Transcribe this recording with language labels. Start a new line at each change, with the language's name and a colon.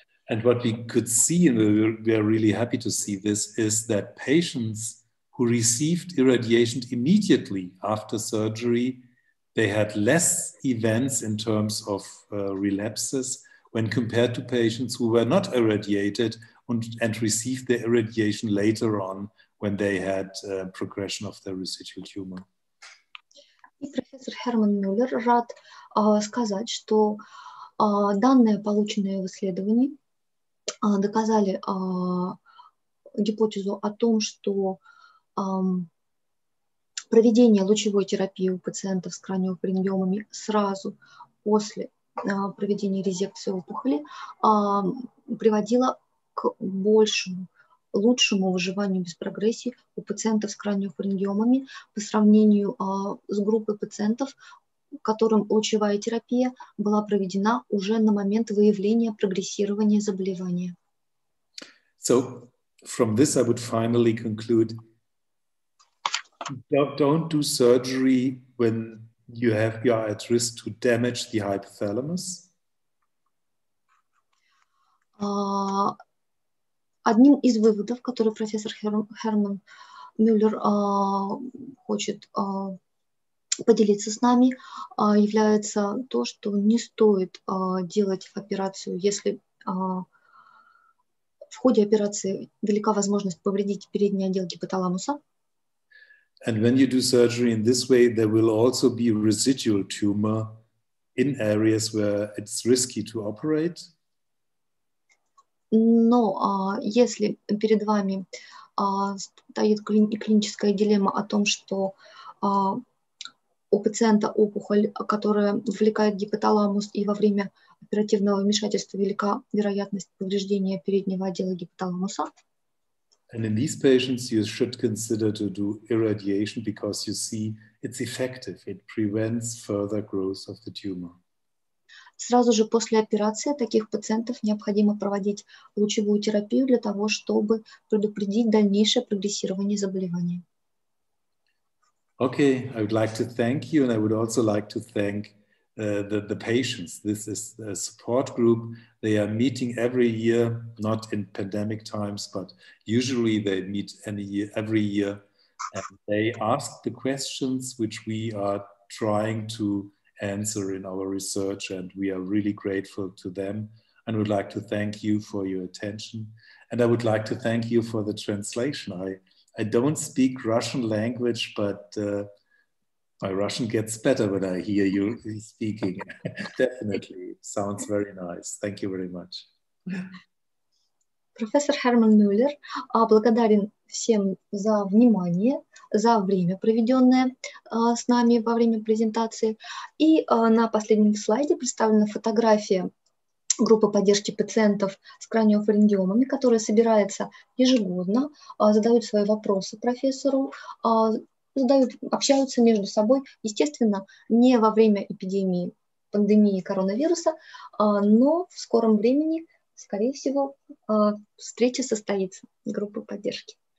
English: And what we could see, and we are really happy to see this, is that patients who received irradiation immediately after surgery, they had less events in terms of relapses when compared to patients who were not irradiated and received the irradiation later on when they had progression of their residual tumor.
Russian: И профессор Херман Мюллер рад сказать, что данные, полученные в исследовании, доказали гипотезу о том, что проведение лучевой терапии у пациентов с краниофарингиомами сразу после проведения резекции опухоли приводило к большему, лучшему выживанию без прогрессии у пациентов с краниофарингиомами по сравнению с группой пациентов, которым лучевая терапия была проведена уже на момент выявления прогрессирования заболевания.
English: So, from this I would finally conclude, don't do surgery when you are at risk to damage the hypothalamus.
Russian: Одним из выводов, который профессор Херман Мюллер хочет поделиться с нами, является то, что не стоит делать операцию, если в ходе операции велика возможность повредить передний отдел гипоталамуса.
English: And when you do surgery in this way, there will also be residual tumor in areas where it's risky to operate.
Russian: Но если перед вами стоит клиническая дилемма о том, что у пациента опухоль, которая вовлекает гипоталамус, и во время оперативного вмешательства велика вероятность повреждения переднего отдела гипоталамуса.
English: And in these patients you should consider to do irradiation because you see it's effective. It prevents further growth of the tumor.
Russian: Сразу же после операции таких пациентов необходимо проводить лучевую терапию для того, чтобы предупредить дальнейшее прогрессирование заболевания.
English: Okay, I would like to thank you, and I would also like to thank the patients. This is a support group. They are meeting every year, not in pandemic times, but usually they meet every year. And they ask the questions which we are trying to answer in our research, and we are really grateful to them. And would like to thank you for your attention. And I would like to thank you for the translation. I don't speak Russian language, but my Russian gets better when I hear you speaking. Definitely. Sounds very nice. Thank you very much.
Russian: Профессор Херман Мюллер благодарен всем за внимание, за время, проведенное с нами во время презентации. И на последнем слайде представлена фотография группа поддержки пациентов с краниофарингиомами, которая собирается ежегодно, задают свои вопросы профессору, общаются между собой, естественно, не во время эпидемии, пандемии коронавируса, но в скором времени, скорее всего, встреча состоится, группа поддержки.